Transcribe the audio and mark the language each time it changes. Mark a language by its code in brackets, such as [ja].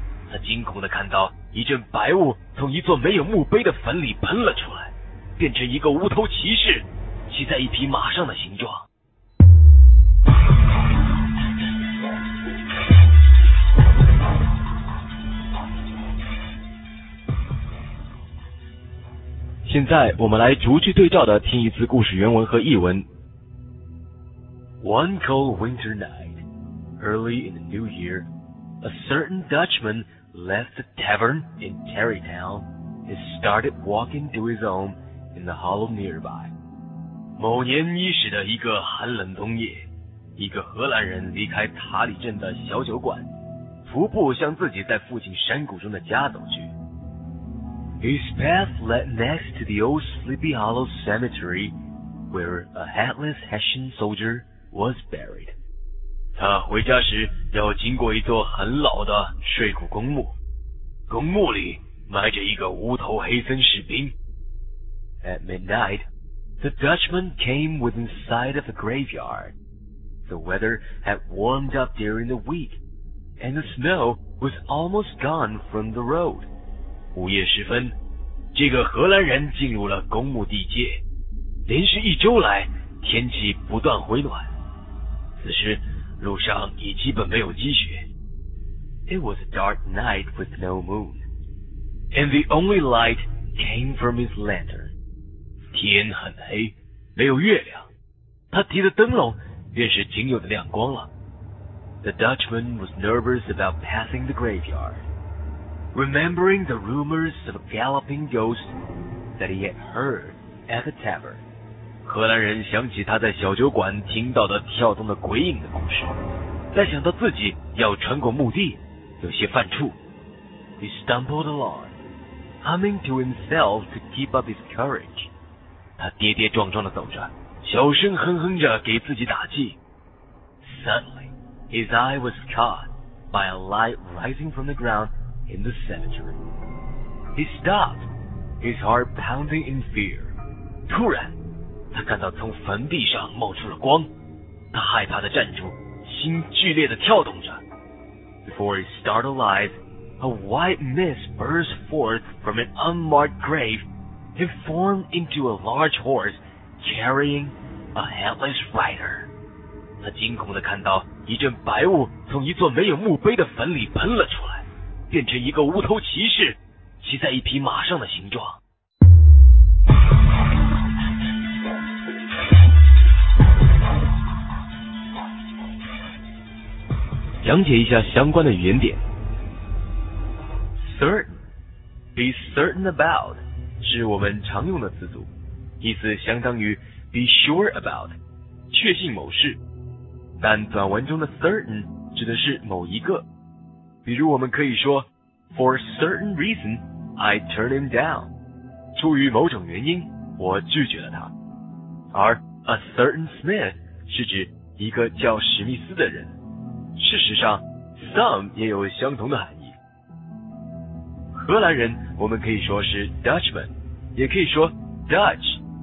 [zh] 他惊恐地看到一阵白雾从一座没有墓碑的坟里喷了出来，变成一个无头骑士，骑在一匹马上的形状。现在我们来逐句对照的听一次故事原文和译文。 [en] One cold winter night, early in the new year, a certain Dutchman left the tavern in Tarrytown and started walking to his home in the hollow nearby. [zh] 某年伊始的一个寒冷冬夜，一个荷兰人离开塔里镇的小酒馆，徒步向自己在附近山谷中的家走去。 [en] His path led next to the old Sleepy Hollow Cemetery, where a hatless Hessian soldier was buried. [zh] 他回家时要经过一座很老的睡骨公墓，公墓里埋着一个无头黑僧士兵。 [en] At midnight, the Dutchman came within sight of the graveyard. The weather had warmed up during the week, and the snow was almost gone from the road. [zh] 午夜时分，这个荷兰人进入了公墓地界，连续一周来天气不断回暖，此时路上已基本没有积雪。 [en] It was a dark night with no moon, and the only light came from his lantern. [zh] 天很黑，没有月亮，他提的灯笼便是仅有的亮光了。 [en] The Dutchman was nervous about passing the graveyard. Remembering the rumors of a galloping ghost that he had heard at the tavern. [zh] 荷兰人想起他在小酒馆听到的跳动的鬼影的故事，再想到自己要穿过墓地，有些犯怵。 [en] He stumbled along, humming to himself to keep up his courage. [zh] 他跌跌撞撞地走着，小声哼哼着给自己打气。 [en] Suddenly, his eye was caught by a light rising from the ground in the cemetery. He stopped, his heart pounding in fear. [zh] 突然，他看到从坟地上冒出了光，他害怕地站住，心剧烈地跳动着。 [en] Before his startled eyes, a white mist burst forth from an unmarked grave and formed into a large horse carrying a headless rider. [zh] 他惊恐地看到一阵白雾从一座没有墓碑的坟里喷了出来，变成一个无头骑士骑在一匹马上的形状。讲解一下相关的语言点。 [en] Certain, be certain about, [zh] 是我们常用的词组，意思相当于 [en] be sure about, [zh] 确信某事。但短文中的 certain 指的是某一个。比如我们可以说 [en] ,for certain reason, I turned him down. [zh] 出于某种原因我拒绝了他。而 [en] a certain Smith [zh] 是指一个叫史密斯的人。事实上 ,some 也有相同的含义。荷兰人我们可以说是 Dutchman, 也可以说 Dutch。